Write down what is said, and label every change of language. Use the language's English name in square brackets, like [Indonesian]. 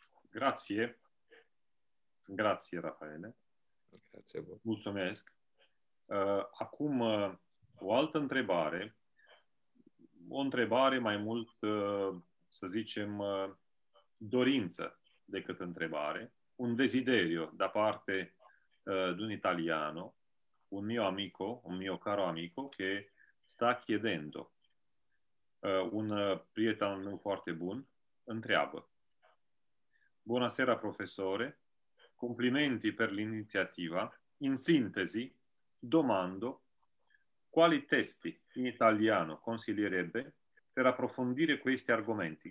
[Italian] Grazie, grazie Raffaele, grazie a voi. [Romanian] Mulțumesc. Acum o altă întrebare, o întrebare mai mult, să zicem, dorință decât întrebare, [Italian] un desiderio da parte di un italiano, un mio amico, un mio caro amico, che sta chiedendo, [Romanian] un prieten nu foarte bun, întreabă. [Italian] Buonasera professore, complimenti per l'iniziativa. In sintesi, domando quali testi in italiano consiglierebbe per approfondire questi argomenti.